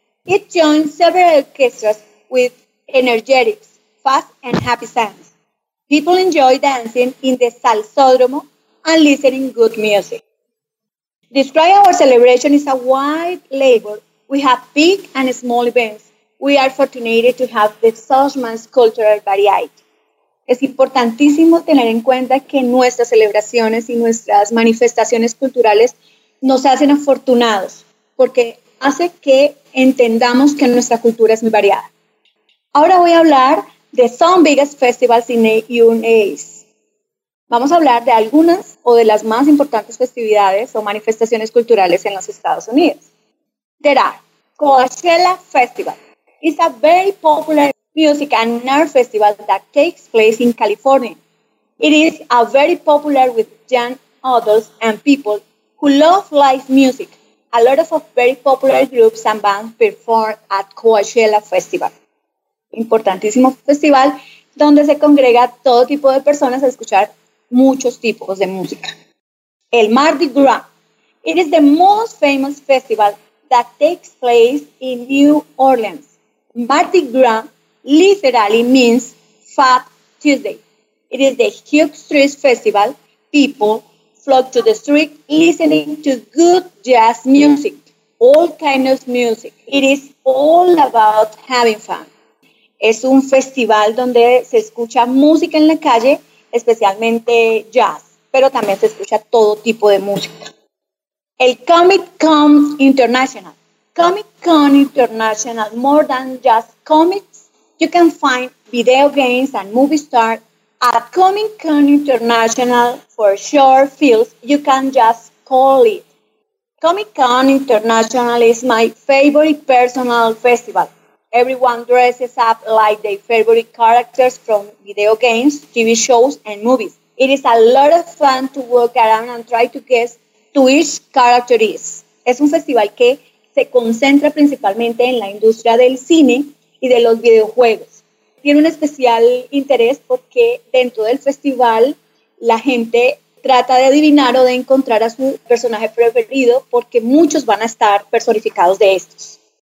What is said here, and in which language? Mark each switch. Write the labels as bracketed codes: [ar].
[en] It joins several orchestras with energetic, fast, and happy sounds. People enjoy dancing in the salsódromo and listening good music. Describe our celebration is a wide label. We have big and small events. We are fortunate to have the Sosman's cultural variety. [es] Es importantísimo tener en cuenta que nuestras celebraciones y nuestras manifestaciones culturales nos hacen afortunados porque hace que entendamos que nuestra cultura es muy variada. Ahora voy a hablar de [en] some biggest festivals in the U.S. [es] Vamos a hablar de algunas o de las más importantes festividades o manifestaciones culturales en los Estados Unidos. [en] There are Coachella Festival. It's a very popular music and art festival that takes place in California. It is a very popular with young adults and people who love live music. A lot of very popular groups and bands perform at Coachella Festival. [es] Importantísimo festival donde se congrega todo tipo de personas a escuchar muchos tipos de música. El Mardi Gras. [en] It is the most famous festival that takes place in New Orleans. Mardi Gras literally means Fat Tuesday. It is the huge street festival. People flock to the street listening to good jazz music, all kinds of music. It is all about having fun. [es] Es un festival donde se escucha música en la calle, especialmente jazz, pero también se escucha todo tipo de música. El Comic Con International. [en] Comic Con International, more than just comics, you can find video games and movie stars. At Comic Con International, for short films, you can just call it. Comic Con International is my favorite personal festival. Everyone dresses up like their favorite characters from video games, TV shows, and movies. It is a lot of fun to walk around and try to guess who each character is. [es] Es un festival que se concentra principalmente en la industria del cine y de los videojuegos. Tiene un especial interés porque dentro del festival la gente trata de adivinar o de encontrar a su personaje preferido porque muchos van a estar personificados de estos.